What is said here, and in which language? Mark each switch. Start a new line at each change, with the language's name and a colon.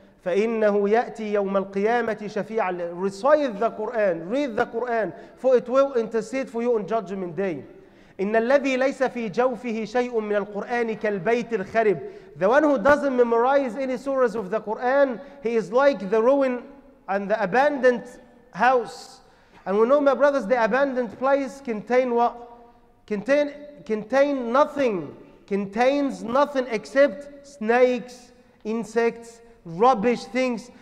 Arabic: فإنه يأتي يوم القيامة شفيعا.
English: Recite the Quran, read the Quran, for it will intercede for you on judgment day.
Arabic: إن الذي ليس في جوفه شيء من القرآن كالبيت الخرب.
English: The one who doesn't memorize any surahs of the Quran, he is like the ruin and the abandoned house. And we know, my brothers, the abandoned place contain what? Contain nothing. Contains nothing except snakes, insects, rubbish things.